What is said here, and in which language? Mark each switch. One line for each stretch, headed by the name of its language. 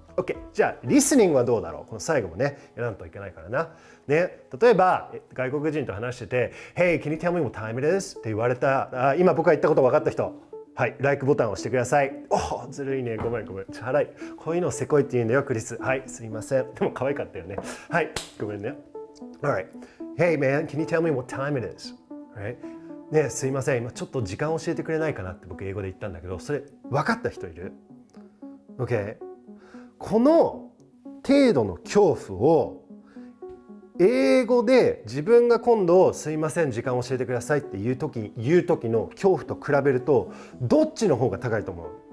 Japanese: OK、じゃあリスニングはどうだろう。この最後もね、やらないといけないからな。ね、例えば外国人と話してて、
English: Hey, can you tell me what time it is?
Japanese: って言われた、あ、今僕が言ったこと分かった人、はい、LIKE ボタンを押してください。おお、ずるいね。ごめん。チャラい。こういうのをせこいって言うんだよ、クリス。はい、すいません。でも可愛かったよね。はい、ごめんね。
English: Alright, Hey, man, can you tell me what time it is? Right?
Japanese: ね、すいません。今ちょっと時間教えてくれないかなって僕英語で言ったんだけど、それ分かった人いる ?OK。この程度の恐怖を英語で自分が今度すいません時間教えてくださいって言う時の恐怖と比べるとどっちの方が高いと思う？